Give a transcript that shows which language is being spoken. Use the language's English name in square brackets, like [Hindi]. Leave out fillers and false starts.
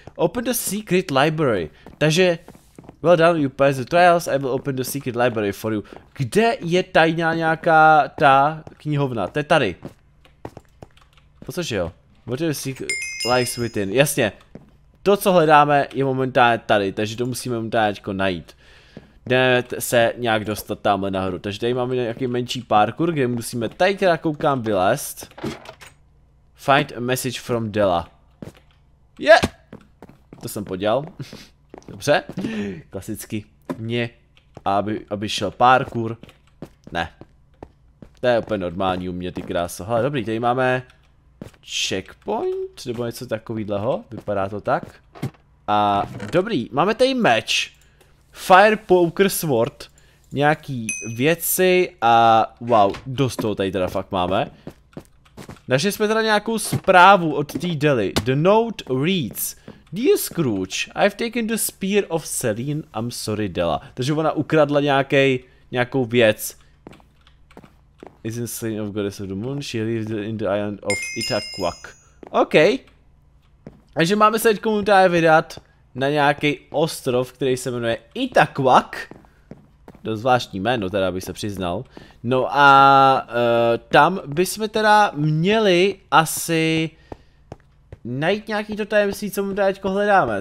[English] Open the secret library. [Czech] Takže... [English] Well done, you pass the trials, I will open the secret library for you. [Czech] Kde je tajná nějaká ta knihovna? To je tady. Po co že jo? [English] What do you seek lies within? [Czech] Jasně. To, co hledáme, je momentálně tady, takže to musíme momentálně najít. Jdeme se nějak dostat tamhle nahoru. Takže tady máme nějaký menší parkour, kde musíme tady teda koukám vylézt. [English] Find a message from Della. Je! Yeah! [Czech] To jsem podělal. Dobře, klasicky, mě, aby šel parkour, ne, to je úplně normální u mě ty kráso, hele dobrý, tady máme checkpoint, nebo něco takovýhleho, vypadá to tak, a dobrý, máme tady meč, fire poker sword, nějaký věci a wow, dost toho tady teda fakt máme, našli jsme teda nějakou zprávu od té Deli, [English] the note reads, Dear Scrooge, I've taken the spear of Celine, I'm sorry Della. [Czech] Takže ona ukradla nějakou věc. [English] Isn't Celine of Goddess of the Moon? She lived in the island of Itaquak. OK. [Czech] Takže máme se teďkomu tady vydat na nějaký ostrov, který se jmenuje Itaquak. Do zvláštní jméno, teda bych se přiznal. No a tam bychom teda měli asi najít nějaký to tajemství, co mu teďko hledáme.